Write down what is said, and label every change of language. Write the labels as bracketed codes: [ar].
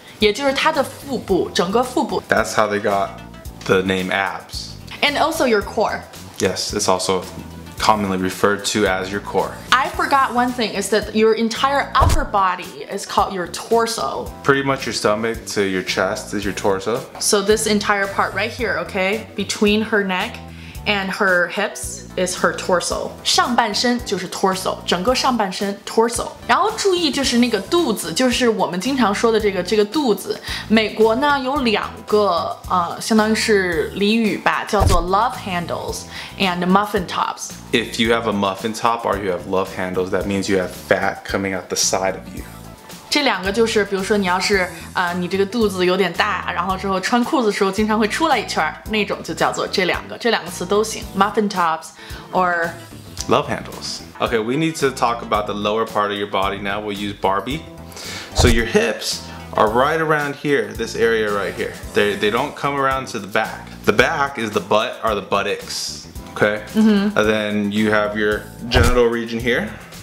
[zh] 也就是它的腹部, 整个腹部. [en] That's how they got the name abs. And also your core. Yes, it's also commonly referred to as your core. I forgot one thing, is that your entire upper body is called your torso. Pretty much your stomach to your chest is your torso. So this entire part right here, okay, between her neck and her hips is her torso. [zh] 上半身就是torso, 整个上半身torso. 然后注意就是那个肚子, 就是我们经常说的这个肚子, 美国呢有两个, 相当于是俚语吧, 叫做 [en] love handles and muffin tops. If you have a muffin top or you have love handles, that means you have fat coming out the side of you. [zh] 这两个就是, 比如说你要是, 你这个肚子有点大, 然后之后穿裤子的时候经常会出来一圈, 那种就叫做这两个, 这两个词都行, [en] muffin tops or love handles. Okay, we need to talk about the lower part of your body now. We'll use Barbie. So your hips are right around here, this area right here. They don't come around to the back. The back is the butt or the buttocks, okay? And then you have your genital region here.